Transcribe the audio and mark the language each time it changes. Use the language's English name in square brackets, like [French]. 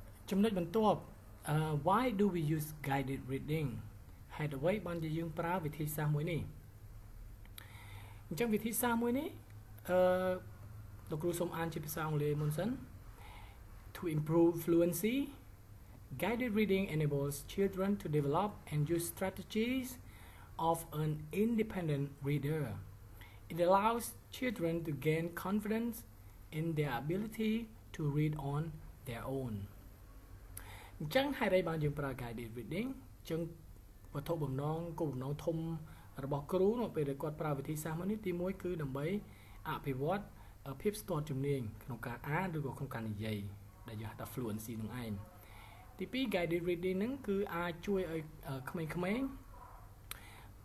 [Khmer] ចំណុចបន្ទាប់ why do we use guided reading ហើយដើម្បីបានជាយើងប្រើវិធីសាស្ត្រមួយនេះអញ្ចឹងវិធីសាស្ត្រមួយនេះលោកគ្រូសូមអានជាភាសាអង់គ្លេសមុនសិន [English] To improve fluency, guided reading enables children to develop and use strategies of an independent reader. It allows children to gain confidence in their ability to read on their own. [Khmer] អញ្ចឹងហើយបានយើងប្រើ guided reading អញ្ចឹងវត្ថុបំណងគោលបំណងធំរបស់គ្រូនៅពេលដែលគាត់ប្រើវិធីសាស្ត្រមួយនេះទី1គឺដើម្បីអភិវឌ្ឍភាពស្ទាត់ជំនាញក្នុងការអានឬក៏ក្នុងការនិយាយដែលយើងហៅថា fluency នឹងឯងទី2 guided reading នឹងគឺអាចជួយឲ្យក្មេងៗ